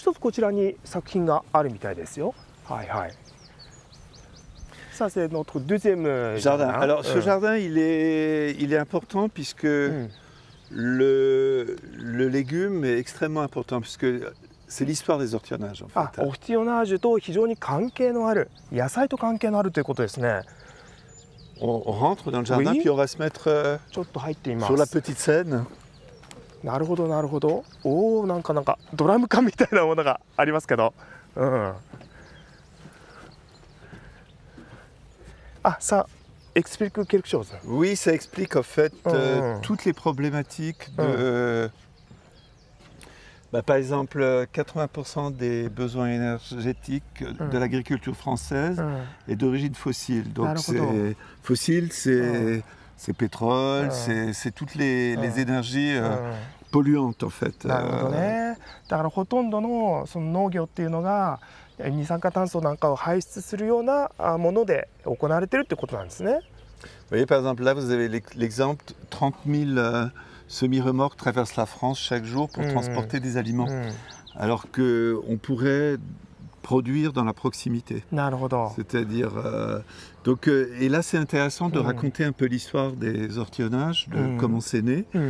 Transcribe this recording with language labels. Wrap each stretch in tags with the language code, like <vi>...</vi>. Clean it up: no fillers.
<ja>なんかね、これが一つの作品で、木の記憶、そういうものを再構成しているもので、もう一つこちらに作品があるみたいですよ。はいはい.</ja> <fr>Ça, c'est notre deuxième jardin. Alors, ce jardin, il est important puisque le légume est extrêmement important puisque c'est l'histoire des ortillonnages, en fait.</fr> <ja>Ah, ortillonnage と 非常に関係のある、野菜と関係のあるということですね。</ja> <fr>On rentre dans le jardin, puis on va se mettre sur la petite scène.</fr> <ja>なるほど、なるほど。おー、なんかドラム缶みたいなものがありますけど。</ja> <fr>Ah, ça explique quelque chose. Oui, ça explique, en fait, toutes les problématiques de... Bah, par exemple, 80% des besoins énergétiques de l'agriculture française est d'origine fossile. Donc, c'est fossile, c'est pétrole, c'est toutes les énergies polluantes, en fait.</fr> <ja>なるほどね。だからほとんどのその農業っていうのが二酸化炭素なんかを排出するようなもので行われてるってことなんですね。</ja> <fr>Oui, par exemple, là, vous avez l'exemple, 30 000 semi-remorques traversent la France chaque jour pour transporter des aliments, alors qu'on pourrait produire dans la proximité.</fr> <ja>なるほど.</ja> <fr>C'est-à-dire... et là, c'est intéressant de raconter un peu l'histoire des ortillonnages, de comment c'est né.</fr>